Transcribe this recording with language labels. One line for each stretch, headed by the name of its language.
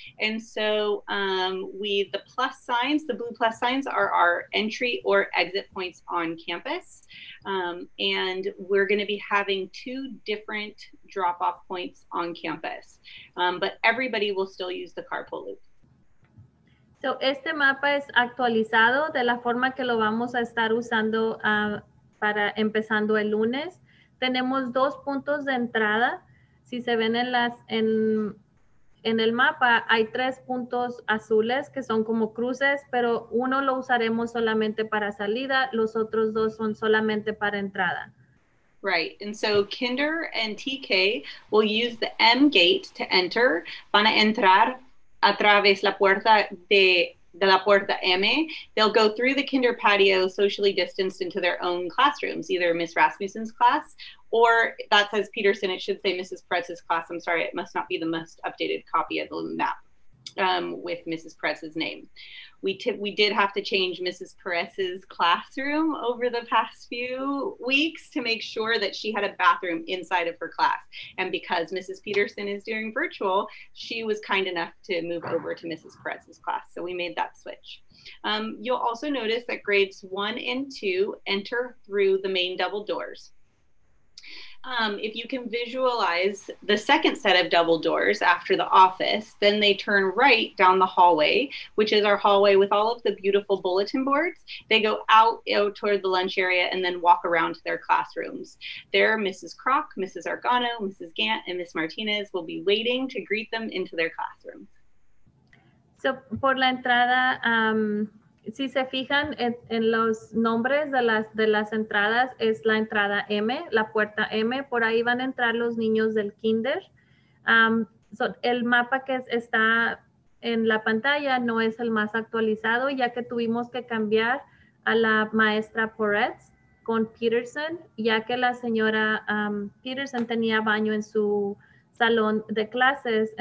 English: And so the plus signs, the blue plus signs, are our entry or exit points on campus. And we're going to be having two different drop-off points on campus, but everybody will still use the carpool loop.
Spanish: So este mapa es actualizado de la forma que lo vamos a estar usando para empezando el lunes. Tenemos dos puntos de entrada. Si se ven en el mapa, hay tres puntos azules que son como cruces, pero uno lo usaremos solamente para salida, los otros dos son solamente para entrada.
English: Right, and so Kinder and TK will use the M gate to enter.
Spanish: Van a entrar a través la puerta de la puerta M.
English: They'll go through the Kinder patio socially distanced into their own classrooms, either Miss Rasmussen's class, or that says Peterson, it should say Mrs. Perez's class. I'm sorry, it must not be the most updated copy of the map. with Mrs. Perez's name. We did have to change Mrs. Perez's classroom over the past few weeks to make sure that she had a bathroom inside of her class. And because Mrs. Peterson is doing virtual, she was kind enough to move over to Mrs. Perez's class. So we made that switch. You'll also notice that grades 1 and 2 enter through the main double doors. If you can visualize the second set of double doors after the office, then they turn right down the hallway, which is our hallway with all of the beautiful bulletin boards. They go out toward the lunch area and then walk around to their classrooms. There, Mrs. Kroc, Mrs. Argano, Mrs. Gant, and Ms. Martinez will be waiting to greet them into their classroom.
Spanish: So, por la entrada, si se fijan en los nombres de las entradas, es la entrada M, la puerta M. Por ahí van a entrar los niños del kinder. So el mapa que está en la pantalla no es el más actualizado, ya que tuvimos que cambiar a la maestra Porretz con Peterson, ya que la señora Peterson tenía baño en su salón de clases.